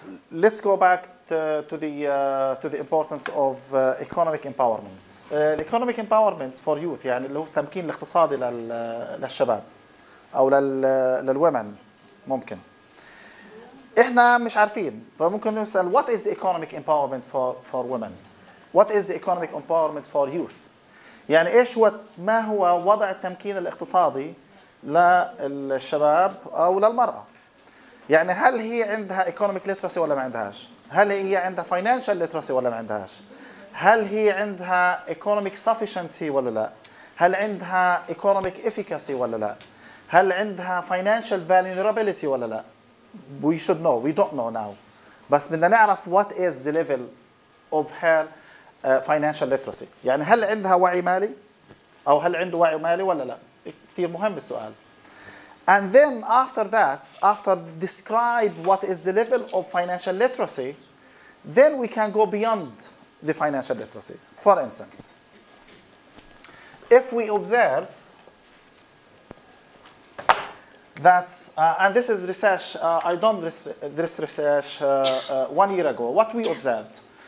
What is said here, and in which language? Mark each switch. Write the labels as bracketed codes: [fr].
[en] Let's go back to the importance of economic empowerments. Economic empowerments for youth, [ar] يعني اللي هو التمكين الاقتصادي للشباب أو للwomen ممكن. إحنا مش عارفين. فممكن نسأل [en] what is the economic empowerment for women? What is the economic empowerment for youth? [ar] يعني إيش هو ما هو وضع التمكين الاقتصادي للشباب أو للمرأة؟ يعني هل هي عندها economic literacy ولا ما عندهاش؟ هل هي عندها financial literacy ولا ما عندهاش؟ هل هي عندها economic sufficiency ولا لا؟ هل عندها economic efficacy ولا لا؟ هل عندها financial vulnerability ولا لا؟ [en] We should know. We don't know now. [ar] بس بدنا نعرف [en] what is the level of her financial literacy. [ar] يعني هل عندها وعي مالي؟ أو هل عنده وعي مالي ولا لا؟ كثير مهم السؤال. [en] And then after that, after describe what is the level of financial literacy, then we can go beyond the financial literacy. For instance, if we observe that, and this is research, I done this research 1 year ago. What we observed?